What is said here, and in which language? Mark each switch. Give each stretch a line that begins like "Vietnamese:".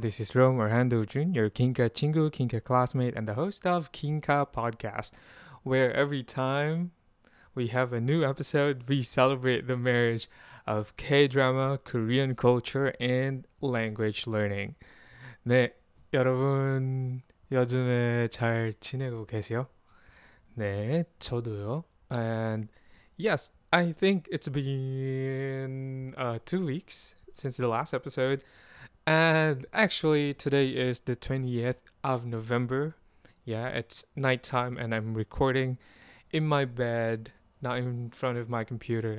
English: This is Rome Orlando Jr., your Kinka 친구, Kinka classmate, and the host of Kinka Podcast, where every time we have a new episode, we celebrate the marriage of K-drama, Korean culture, and language learning.
Korean: 네, 여러분, 요즘에 잘 지내고 계세요? 네, 저도요.
English: And yes, I think it's been 2 weeks since the last episode, and actually today is the 20th of November. Yeah, it's nighttime and I'm recording in my bed, not in front of my computer.